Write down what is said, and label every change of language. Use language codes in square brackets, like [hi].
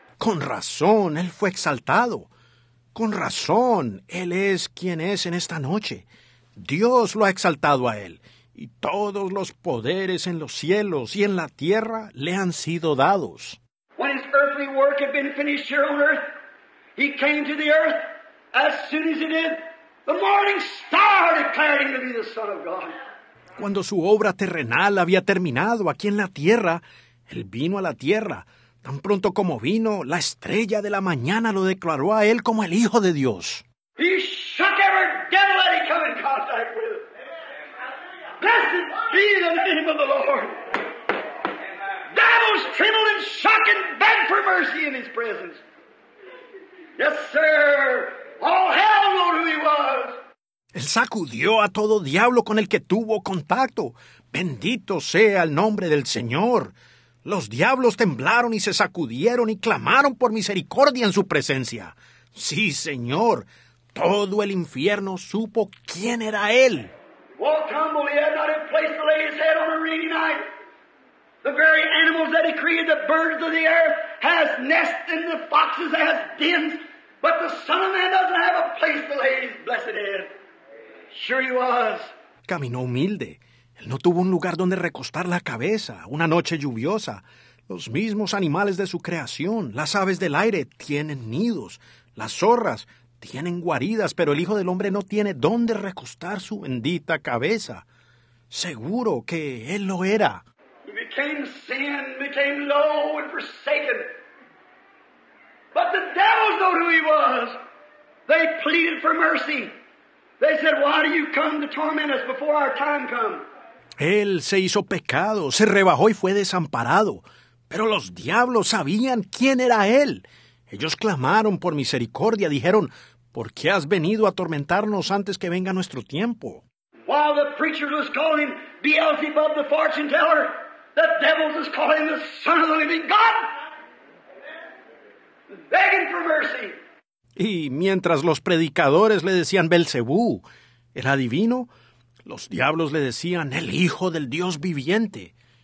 [es] Con razón, él fue exaltado. Con razón, él es quien es en esta noche. Dios lo ha exaltado a él. Y todos los poderes en los cielos y en la tierra le han sido dados. [en] When his earthly work had been finished here on earth, he came to the earth as soon as he did. The morning star declared him to be the Son of God. [es] Cuando su obra terrenal había terminado aquí en la tierra, él vino a la tierra. Tan pronto como vino, la estrella de la mañana lo declaró a él como el Hijo de Dios. [en] He shook every devil that he came in contact with. Blessed be the name of the Lord. Devils trembled and shook and begged for mercy in his presence. Yes, sir. All hell knew who he was. [es] Él sacudió a todo diablo con el que tuvo contacto. Bendito sea el nombre del Señor. Los diablos temblaron y se sacudieron y clamaron por misericordia en su presencia. Sí, Señor. Todo el infierno supo quién era él. [en] Walk humble, he had not a place to lay his head on a rainy night. The very animals that he created, the birds of the air, has nests and the foxes has dens, but the Son of Man doesn't have a place to lay his blessed head. Sure he was. [es] Caminó humilde. Él no tuvo un lugar donde recostar la cabeza. Una noche lluviosa. Los mismos animales de su creación, las aves del aire, tienen nidos. Las zorras tienen guaridas, pero el Hijo del Hombre no tiene dónde recostar su bendita cabeza. Seguro que él lo era. [en] He became sin, became low and forsaken. But the devils know who he was. They pleaded for mercy. They said, why do you come to torment us before our time comes? [es] Él se hizo pecado, se rebajó y fue desamparado. Pero los diablos sabían quién era él. Ellos clamaron por misericordia, dijeron, ¿por qué has venido a atormentarnos antes que venga nuestro tiempo? [en] While the preachers was calling Beelzebub the fortune teller, the devils was calling the Son of the Living God, begging for mercy. [es] Y mientras los predicadores le decían Belcebú, el adivino, los diablos le decían el Hijo del Dios viviente.